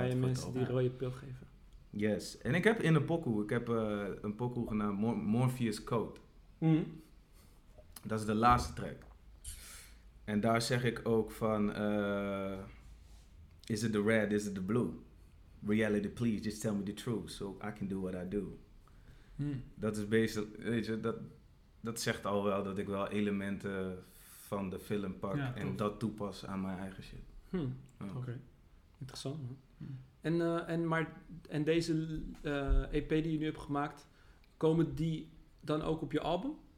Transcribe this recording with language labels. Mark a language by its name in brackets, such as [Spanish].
[Dutch] het album. Dan ga je mensen die rode pil geven. Yes. En ik heb in een pokoe. Ik heb een pokoe genaamd Morpheus Code. Hmm. Dat is de laatste track. En daar zeg ik ook van, [English] is it the red, is it the blue? Reality, please, just tell me the truth, so I can do what I do. Hmm. [Dutch] Dat is basically, weet je, dat zegt al wel dat ik wel elementen van de film pak en dat toepas aan mijn eigen shit. Hmm. Oh. Oké, okay. Interessant. Hmm. En deze EP die je nu hebt gemaakt, komen die dan ook op je album?